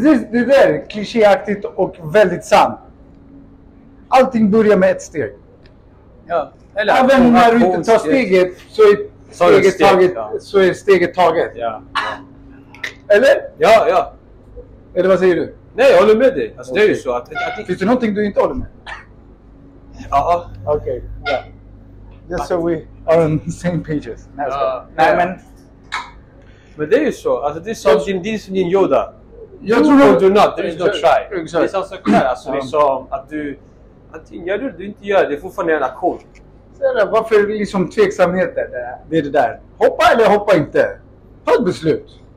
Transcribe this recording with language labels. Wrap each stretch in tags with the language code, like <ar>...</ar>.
<sv>Det där är klischéaktigt och väldigt sant. Allting börjar med ett steg. Ja. Även när du inte tar steget, så är steget taget. Ja. Eller? Ja. Eller vad säger du? Nej, jag håller med dig. Alltså, okay. Det är ju så att... Finns det någonting du inte håller med? Ja. Okej. Ja.</sv> <en>Just so we are on the same pages.</en> <sv>Nej, men... Men det är ju så. Alltså, det är som din Yoda. Jag tror att du</sv> <en>not, there is no try. Exactly.</en> <sv>Det är så klart, alltså liksom att du antingen gör det, du inte gör det, det är fortfarande en aktion. Varför liksom tveksamheten, det är det där. Hoppa eller hoppa inte. Ta ett beslut.</sv>